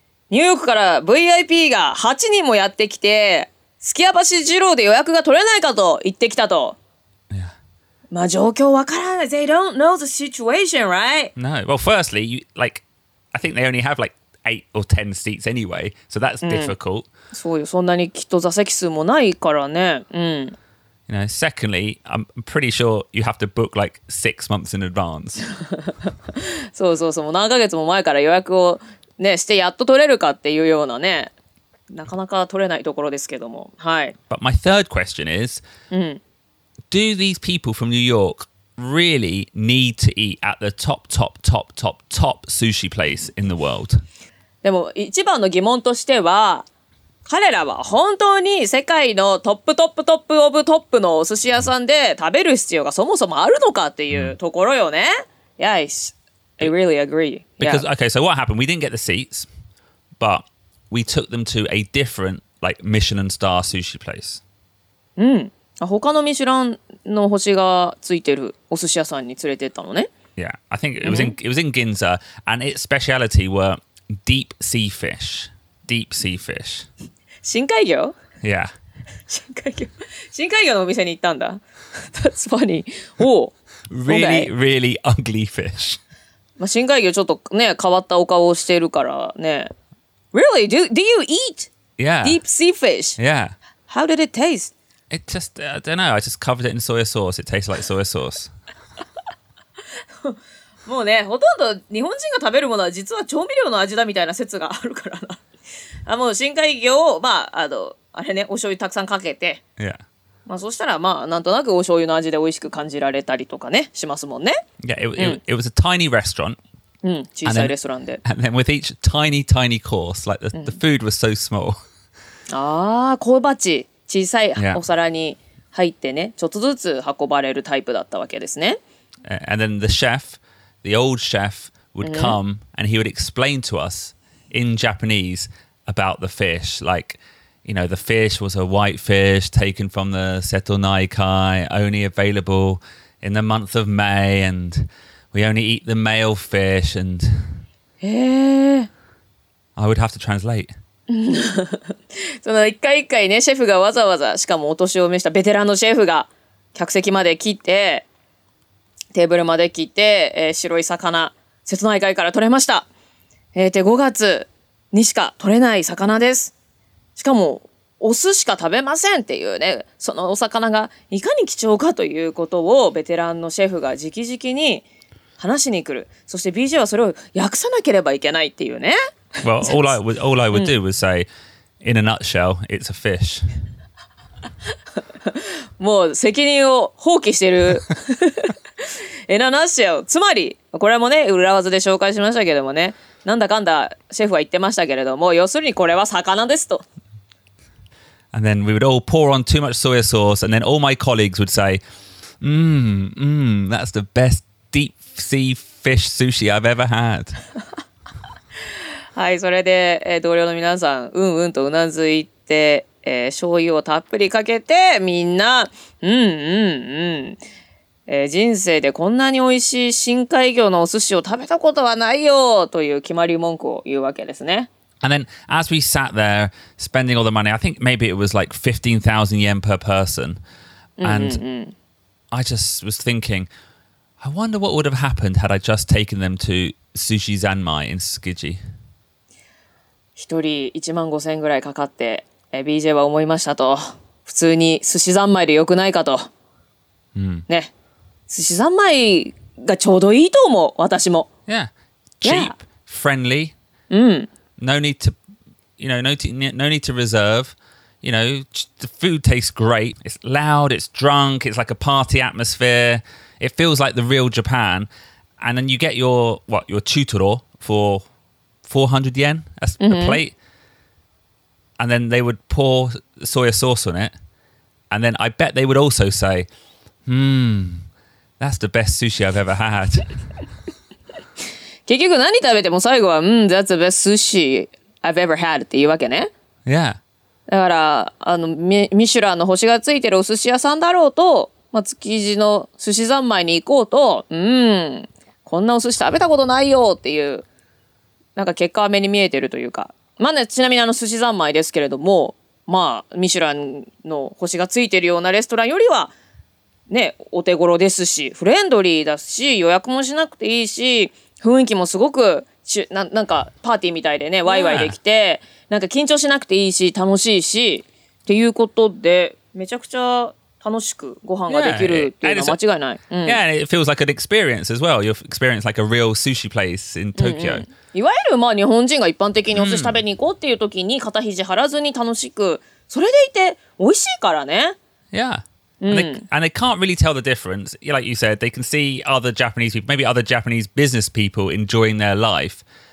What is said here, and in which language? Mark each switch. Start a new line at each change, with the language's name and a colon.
Japanese: New York から VIP が8人もやってきて、Tsukiyabashi Jiro で予約が取れないかと言ってきたと。まあ状況わからない。
English: They don't know the situation, right? No. Well, firstly, you, like, I think they only have like 8 or 10 seats anyway, so that's difficult.
Japanese: そうよ。そんなにきっと座席数もないからね。
English: You know, secondly, I'm pretty sure you have to book like 6 months in advance.
Japanese: そうそうそう。もう何ヶ月も前から予約をね、してやっと取れるかっていうようなね。なかなか取れないところですけども。はい。
English: But my third question is... Do these people from New York really need to eat at the top, top, top, top, top sushi place in the world?
Japanese: でも一番の疑問としては、彼らは本当に世界のトップ、トップ、トップ、オブ、トップのお寿司屋さんで食べる必要がそもそもあるのかっていうところよね。
English: Yes, I really agree. Because, okay, so what happened? We didn't get the seats, but we took them to a different, like, Michelin star sushi place. Mm.
Japanese: 他のミシュランの星がついてるお寿司屋さんに連れてったのね。
English: Yeah, I think it was, it was in Ginza, and its speciality were deep sea fish. Deep sea fish.
Japanese: 深海魚?
English: Yeah.
Japanese: 深海魚。深海魚のお店に行ったんだ。
English: That's funny. Oh, really, really ugly fish.
Japanese: 深海魚ちょっとね、変わったお顔をしてるからね。
English: Really? Do you eat deep sea fish? Yeah. How did it taste? It just, I don't know, I just covered it in soy sauce. It tastes like soy sauce.
Japanese: もうね、ほとんど日本人が食べるものは実は調味料の味だみたいな説があるからな。あ、もう深海魚を、まあ、あれね、お醤油たくさんかけて。
English: Yeah.
Japanese: まあ、そしたら、まあ、なんとなくお醤油の味で美味しく感じられたりとかね、しますもんね。
English: Yeah, it was a tiny restaurant.
Japanese: うん、小さいレストランで。
English: And then with each tiny, tiny course, like the food was so small.
Japanese: あー、小鉢。小さいお皿に入ってね、ちょっとずつ運ばれるタイプだったわけですね。
English: And then the chef, the old chef, would come and he would explain to us in Japanese about the fish. Like, you know, the fish was a white fish taken from the Seto Naikai, only available in the month of May, and we only eat the male fish, and I would have to translate.
Japanese: その一回一回ね、シェフがわざわざ、しかもお年を召したベテランのシェフが客席まで来て、テーブルまで来て、白い魚、瀬戸内海から取れました。 5月にしか取れない魚です。しかも、お酢しか食べませんっていうね、そのお魚がいかに貴重かということをベテランのシェフが直々に話しに来る。そして BJ はそれを訳さなければいけないっていうね。
English: Well, all I would do was say, in a nutshell, it's a fish.
Japanese: もう責任を放棄してる。
English: In a nutshell,
Japanese: つまり、これもね、裏技で紹介しましたけどもね、なんだかんだシェフは言ってましたけれども、要するにこれは魚ですと。
English: And then we would all pour on too much soy sauce, and then all my colleagues would say, that's the best deep sea fish sushi I've ever had.
Japanese: はい、それで、同僚の皆さん、うんうんとうなずいて、醤油をたっぷりかけて、みんな、人生でこんなに美味しい深海魚のお寿司を食べたことはないよという決まり文句を言うわけですね。
English: And then as we sat there spending all the money, I think maybe it was like 15,000 yen per person. And I just was thinking, I wonder what would have happened had I just taken them to Sushi Zanmai in Tsukiji.
Japanese: 1人1万5千ぐらいかかって、BJ は思いましたと。普通に寿司三昧でよくないかと。ね。寿司三昧がちょうどいいと思う、私も。
English: Yeah. Cheap, friendly. No need to, you know, no need to reserve. You know, the food tastes great. It's loud, it's drunk, it's like a party atmosphere. It feels like the real Japan. And then you get your chutoro for 400 yen, a plate. And then they would pour soya sauce on it. And then I bet they would also say, that's the best sushi I've ever had.
Japanese: 結局何食べても最後は、
English: that's the best sushi I've ever had
Japanese: っていうわけね。
English: Yeah.
Japanese: だから、ミシュランの星がついてるお寿司屋さんだろうと、まあ、築地の寿司三昧に行こうと、こんなお寿司食べたことないよっていう、なんか結果は目に見えてるというか。まあね、ちなみにあの寿司三昧ですけれども、まあ、ミシュランの星がついてるようなレストランよりは、ね、お手頃ですし、フレンドリーだし、予約もしなくていいし、雰囲気もすごく、なんかパーティーみたいでね、ワイワイできて、なんか緊張しなくていいし、楽しいし、っていうことで、めちゃくちゃ楽しくご飯ができるっていうのは間違いない。
English: Yeah, and it feels like an experience as well. You've experienced like a real sushi place in Tokyo.
Japanese: いわゆるまあ日本人が一般的にお寿司食べに行こうっていう時に、肩肘張らずに楽しく、それでいて美味しいからね。
English: Yeah. And they can't really tell the difference. Like you said, they can see other Japanese people, maybe other Japanese business people enjoying their life.